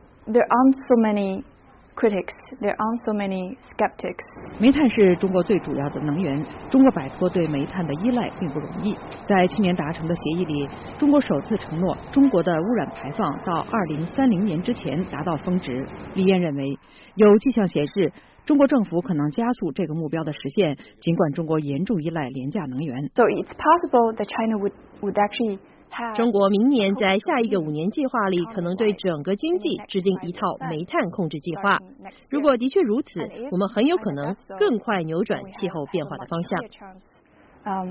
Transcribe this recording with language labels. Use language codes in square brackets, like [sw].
[en] There aren't so many critics, there aren't so many skeptics. [zh] 煤炭是中国最主要的能源，中国摆脱对煤炭的依赖并不容易。在去年达成的协议里，中国首次承诺中国的污染排放到2030年之前达到峰值。李燕认为，有迹象显示中国政府可能加速这个目标的实现，尽管中国严重依赖廉价能源。 [en] So it's possible that China would actually have [zh] 中国明年在下一个五年计划里可能对整个经济制定一套煤炭控制计划。如果的确如此，我们很有可能更快扭转气候变化的方向。